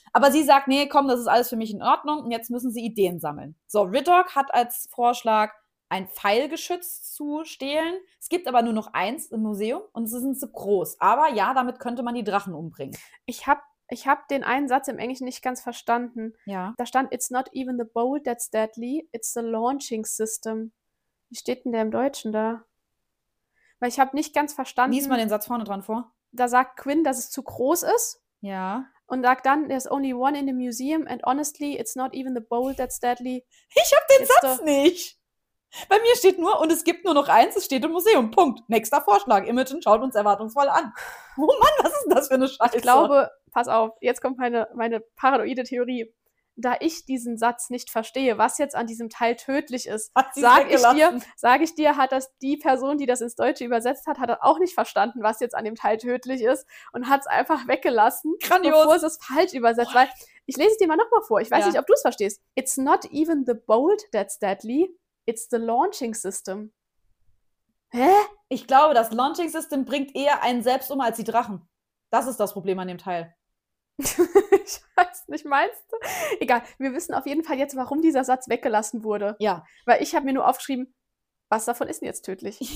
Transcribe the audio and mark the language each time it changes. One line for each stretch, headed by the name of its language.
German: Aber sie sagt, nee, komm, das ist alles für mich in Ordnung. Und jetzt müssen sie Ideen sammeln. So, Riddock hat als Vorschlag, ein Pfeilgeschütz zu stehlen. Es gibt aber nur noch eins im Museum und sie sind so groß. Aber ja, damit könnte man die Drachen umbringen. Ich hab den einen Satz im Englischen nicht ganz verstanden. Ja. Da stand,
English: it's not even the bolt that's deadly, it's the launching system.
German: Wie steht denn der im Deutschen da? Weil ich habe nicht ganz verstanden. Lies mal den Satz vorne dran vor. Da sagt Quinn, dass es zu groß ist. Ja. Und sagt dann,
English: there's only one in the museum and honestly, it's not even the bowl that's deadly.
German: Ich hab den Satz nicht. Bei mir steht nur, und es gibt nur noch eins, es steht im Museum. Punkt. Nächster Vorschlag. Imogen schaut uns erwartungsvoll an. Oh Mann, was ist das für eine Scheiße? Ich glaube, pass auf, jetzt kommt meine paranoide Theorie. Da ich diesen Satz nicht verstehe, was jetzt an diesem Teil tödlich ist, sag ich dir, hat das die Person, die das ins Deutsche übersetzt hat, hat das auch nicht verstanden, was jetzt an dem Teil tödlich ist und hat es einfach weggelassen, grandios, bevor es falsch übersetzt. Boah. Weil ich lese es dir mal nochmal vor. Ich weiß nicht, ob du es verstehst.
English: It's not even the bolt that's deadly, it's the launching system.
German: Hä? Ich glaube, das Launching System bringt eher einen selbst um als die Drachen. Das ist das Problem an dem Teil. Ich weiß nicht, meinst du? Egal, wir wissen auf jeden Fall jetzt, warum dieser Satz weggelassen wurde. Ja. Weil ich habe mir nur aufgeschrieben, was davon ist denn jetzt tödlich?